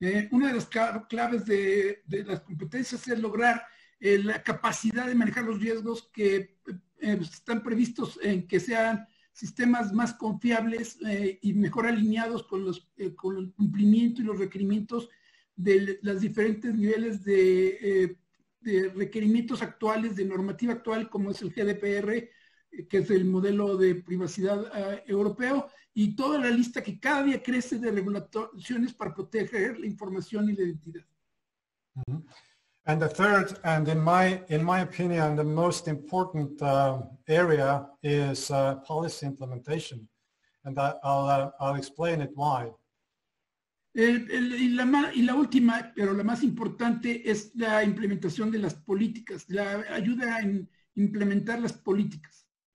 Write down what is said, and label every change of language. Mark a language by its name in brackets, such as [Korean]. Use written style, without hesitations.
[Spanish] Una de las claves de las competencias es lograr la capacidad de manejar los riesgos que están previstos en que sean sistemas más confiables y mejor alineados con el cumplimiento y los requerimientos de los diferentes niveles de requerimientos actuales, de normativa actual, como es el GDPR, que es el modelo de privacidad europeo, y toda la lista que cada día crece de regulaciones para proteger la información y la identidad. Mm-hmm. [English] And the third, and in my opinion, the most important area is policy implementation, and I'll explain it why. [Spanish] Y la última, pero la más importante, es la implementación de las políticas, la ayuda en implementar las políticas.